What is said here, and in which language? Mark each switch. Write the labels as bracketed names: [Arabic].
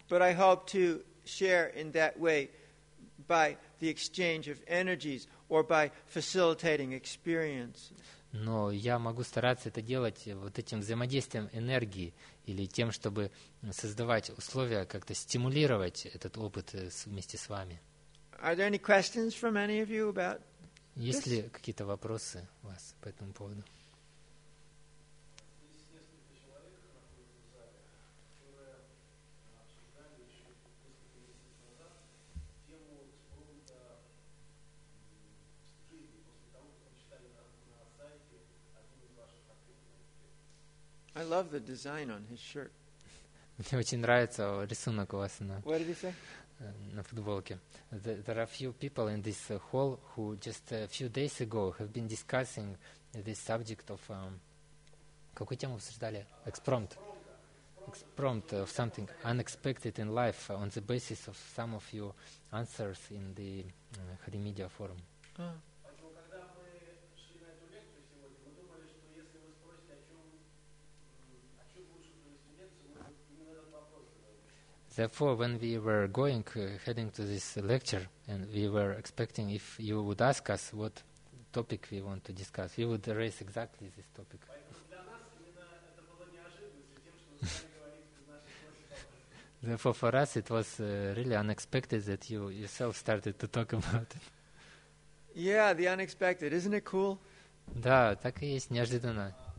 [English] But I hope to share in that way by the exchange of energies or by facilitating experience. [Russian] Но я могу стараться это делать вот этим взаимодействием энергии или тем, чтобы создавать условия, как-то стимулировать этот опыт вместе с вами. [English] Are there any questions from any of you about this? [Russian] Есть ли какие-то вопросы у вас по этому поводу? [English] I love the design on his shirt. [Russian] Мне очень нравится рисунок у вас на. [English] What did he say? [Russian] На футболке. [English] There are a few people in this hall who just a few days ago have been discussing this subject of [Russian] какую тему обсуждали? Экспромт. [English] Экспромт of something unexpected in life on the basis of some of your answers in the Hari Media forum. Therefore, when we were going, heading to this lecture, and we were expecting if you would ask us what topic we want to discuss, we would raise exactly this topic. Therefore, for us, it was really unexpected that you yourself started to talk about it. Yeah, the unexpected. Isn't it cool? [Russian] Да, так и есть, неожиданно.